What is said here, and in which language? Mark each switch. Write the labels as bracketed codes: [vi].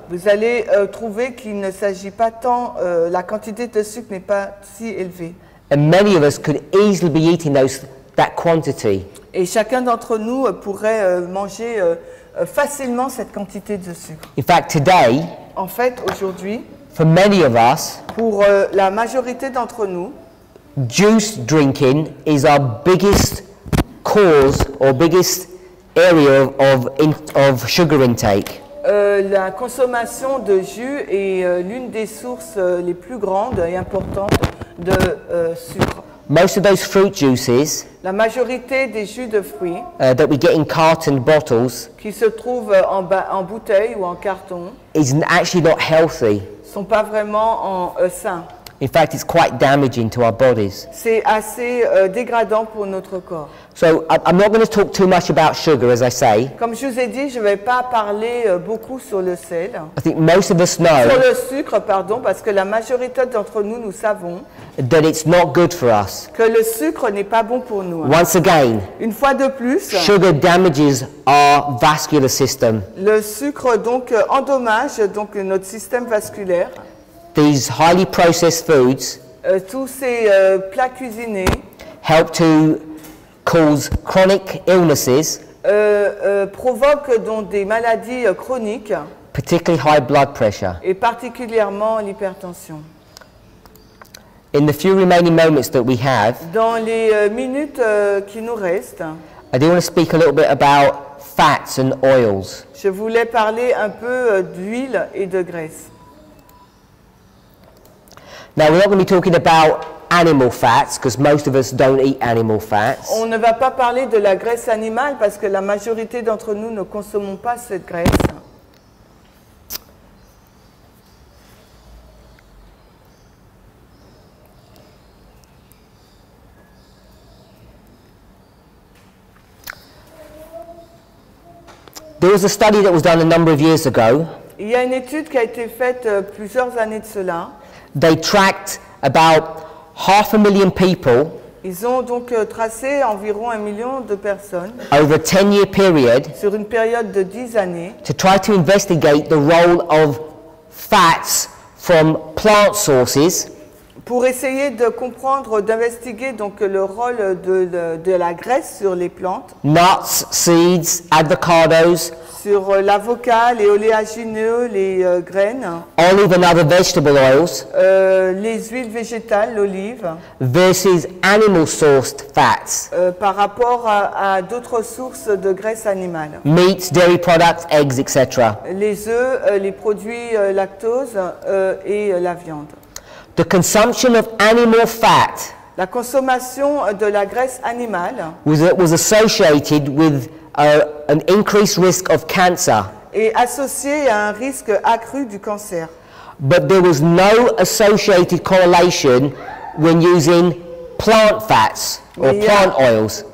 [fr] Vous allez trouver qu'il ne s'agit pas tant la quantité de sucre n'est pas si élevée. [en] And many of us could easily be eating that quantity. [fr] Et chacun d'entre nous pourrait manger facilement cette quantité de sucre. [en] In fact, today, [fr] en fait, aujourd'hui, [en] for many of us, [fr] pour la majorité d'entre nous, [en] juice drinking is our biggest cause or biggest area of sugar intake. [fr] La consommation de jus est l'une des sources les plus grandes et importantes de sucre. [en] Most of those fruit juices, [fr] la majorité des jus de fruits, [en] that we get in carton bottles, [fr] qui se trouvent en bouteille ou en carton, [en] is actually not healthy. [fr] Sont pas vraiment sains. [en] In fact, it's quite damaging to our bodies. [fr] C'est assez dégradant pour notre corps. [en] So I'm not going to talk too much about sugar, as I say. [fr] Comme je vous ai dit, je ne vais pas parler beaucoup sur le sel. [en] I think most of us know. [fr] Sur le sucre, pardon, parce que la majorité d'entre nous, nous savons. [en] That it's not good for us. [fr] Que le sucre n'est pas bon pour nous. [en] Hein. Once again. [fr] Une fois de plus. [en] Sugar damages our vascular system. [fr] Le sucre donc endommage donc notre système vasculaire. [en] These highly processed foods [fr] tous ces plats cuisinés [en] help to cause chronic illnesses [fr] provoquent donc des maladies chroniques, [en] particularly high blood pressure, [fr] et particulièrement l'hypertension. [en] In the few remaining moments that we have, [fr] dans les minutes qui nous restent, [en] I do want to speak a little bit about fats and oils. [fr] Je voulais parler un peu d'huile et de graisse. [en] Now we're not going to be talking about animal fats because most of us don't eat animal fats. [fr] On ne va pas parler de la graisse animale parce que la majorité d'entre nous ne consommons pas cette graisse. [en] There was a study that was done a number of years ago. [fr] Il y a une étude qui a été faite plusieurs années de cela. [en] They tracked about 500,000 people. [fr] Ils ont donc tracé environ 1 million de personnes. [en] Over a 10-year period. [fr] Sur une période de 10 années. [en] To try to investigate the role of fats from plant sources. [fr] Pour essayer de comprendre, d'investiguer donc le rôle de la graisse sur les plantes. [en] Nuts, seeds, avocados. [fr] Sur l'avocat, les oléagineux, les graines. [en] Olive and other vegetable oils. [fr] Les huiles végétales, l'olive. [en] Versus animal-sourced fats. [fr] Par rapport à d'autres sources de graisse animale. [en] Meats, dairy products, eggs, etc. [fr] Les œufs, les produits lactose et la viande. [en] The consumption of animal fat. [fr] La consommation de la graisse animale. [en] Was associated with an increased risk of cancer. [fr] Est associé à un risque accru du cancer. [en] But there was no associated correlation when using plant fats or plant oils.